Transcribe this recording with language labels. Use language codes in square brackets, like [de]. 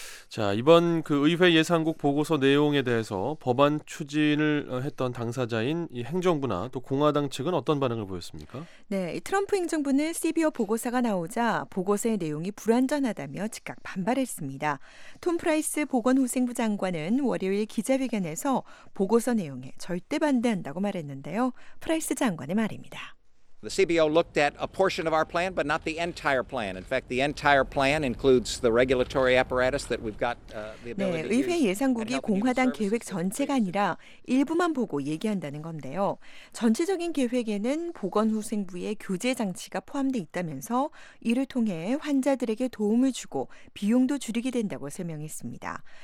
[ko] 자, 이번 그 의회 예산국 보고서 내용에 대해서 법안 추진을 했던 당사자인 이 행정부나 또 공화당 측은 어떤 반응을 보였습니까? 네, 트럼프 행정부는 CBO 보고서가 나오자 보고서의 내용이 불완전하다며 즉각 반발했습니다. 톰 프라이스 보건후생부 장관은 월요일 기자회견에서 보고서 내용에 절대 반대한다고 말했는데요. 프라이스 장관의 말입니다. [en] The CBO looked at a portion of our plan, but not the entire plan. In fact, the entire plan includes the regulatory apparatus that we've got. [ko] 네, 의회 예산국이 공화당 계획 전체가 아니라 일부만 보고 얘기한다는 건데요. 전체적인 계획에는 보건후생부의 교재 장치가 포함돼 있다면서 이를 통해 환자들에게 도움을 주고 비용도 줄이게 된다고 설명했습니다.